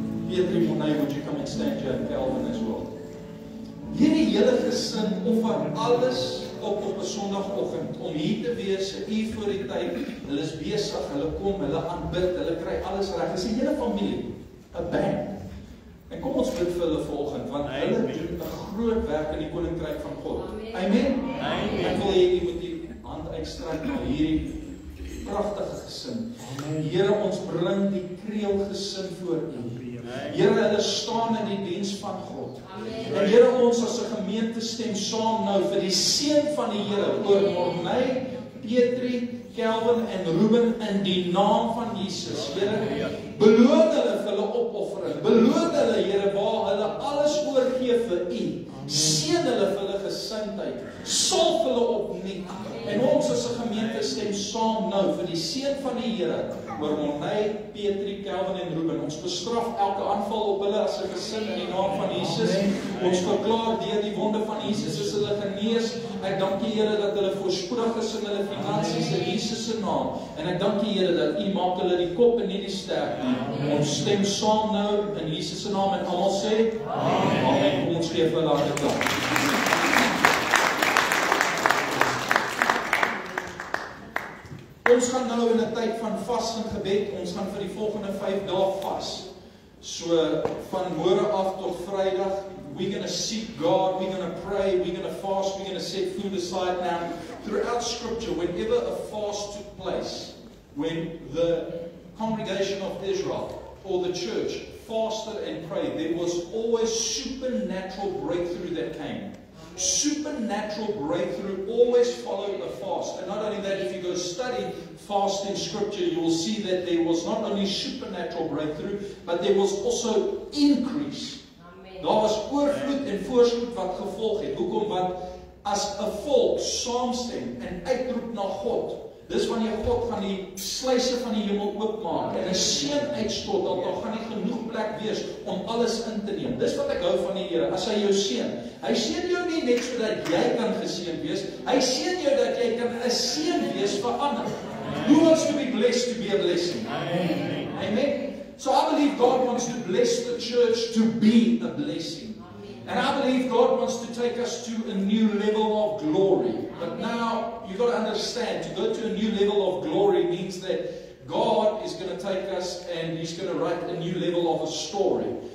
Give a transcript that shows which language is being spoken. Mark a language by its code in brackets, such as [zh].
[af] Petri, Monnie, [en] would you come and stand here, Kelvin as well, [af] hier die hele gesin offer alles op 'n sonoggend, om hier te wees, hier voor die tyd, hulle is besig, hulle kom, hulle aanbid, hulle kry alles reg, dis die hele familie, [en] a band, [af] en kom ons bid vir hulle volgend, want hulle doen 'n groot werk in die koninkryk van God. Amen. Amen. Ek wil hê jy moet die hand uitstrek na hierdie pragtige gesin. Amen. Here, ons bring die kreel gesin voor U. Here, hulle staan in die diens van God. Amen. En Here, ons as 'n gemeente stem saam nou vir die seën van die Here oor Mornay, Petri, Kelvin en Ruben in die naam van Jesus. Here, beloon hulle vir hulle opoffering. Beloon hulle, Here, waar hulle alles oorgee vir U. Seën hulle vir hulle gesindheid. Salf hulle op nuut. En ons as 'n gemeente stem saam nou vir die seën van die Here oor Monty, Petri, Kelvin en Ruben. Ons bestraf elke aanval op hulle as 'n gesin in die naam van Jesus. Ons verklaar deur die wonde van Jesus is hulle genees. Ek dank die Here dat hulle voorspoedig is in hulle finansies in Jesus se naam. En ek dank die Here dat U maak hulle die kop en nie die sterk nie. Ons stem saam nou in Jesus se naam en almal sê amen. Amen. Kom ons gee vir hulle hande klap. Ons gaan nou in 'n tyd van vas en gebed. Ons gaan vir die volgende 5 dae vas. So van môre af tot Vrydag, [en] we're going to seek God, we're going to pray, we're going to fast, we're going to set food aside. Now, throughout scripture, whenever a fast took place, when the congregation of Israel or the church fasted and prayed, there was always supernatural breakthrough that came. Supernatural breakthrough always followed a fast. And not only that, if you go study fasting scripture, you will see that there was not only supernatural breakthrough, but there was also increase. Amen. [af] Daar was oorvloed en voorspoed wat gevolg het. Hoekom? Want as 'n volk saamstem en uitroep na God, dis wanneer God van die sluise van die hemel oopmaak en 'n seën uitstort, dan daar gaan nie genoeg plek wees om alles in te neem. Dis wat ek hou van die Here. As hy jou seën, hy seën jou nie net sodat jy kan geseën wees, hy seën jou dat jy kan 'n seën wees vir ander. [en] Who wants to be blessed to be a blessing? Amen. Amen. So I believe God wants to bless the church to be a blessing. Amen. And I believe God wants to take us to a new level of glory. But now, you've got to understand, to go to a new level of glory means that God is going to take us and He's going to write a new level of a story.